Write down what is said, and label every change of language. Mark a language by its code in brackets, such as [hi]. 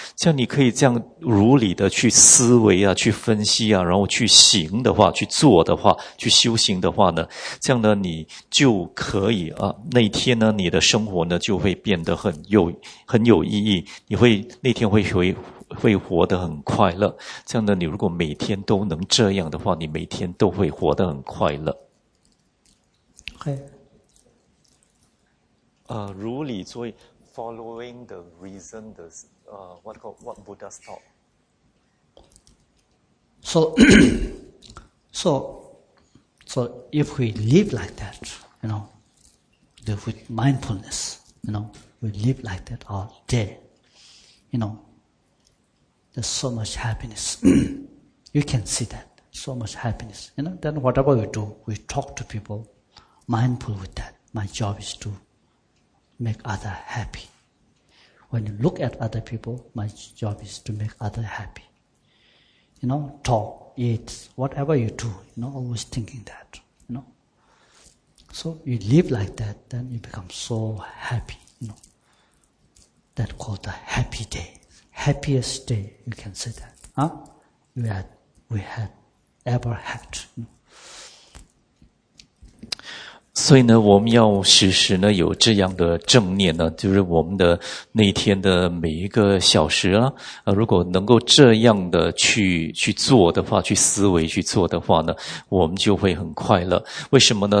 [zh] 像你可以这样如理的去思维啊，去分析啊，然后去行的话，去做的话，去修行的话呢，这样呢你就可以啊，那天呢你的生活呢就会变得很有意义，你会那天会活得很快乐。这样呢，你如果每天都能这样的话，你每天都会活得很快乐。 [en] Okay. 如理作意 ，following the reason, the what Buddha's taught. So if we live like that, you know, with mindfulness, you know, we live like that all day, you know. There's so much happiness. you can see that. So much happiness. You know, then whatever we do, we talk to people, mindful with that. My job is to make other happy. When you look at other people, my job is to make other happy. You know, talk, eat, whatever you do, you know, always thinking that, you know. So you live like that, then you become so happy, you know. That's called the happy day. Happiest day, you can say that, we had ever had. [zh] 所以呢，我们要时时呢有这样的正念呢，就是我们的那天的每一个小时啊，如果能够这样的去做的话，去思维去做的话呢，我们就会很快乐。为什么呢？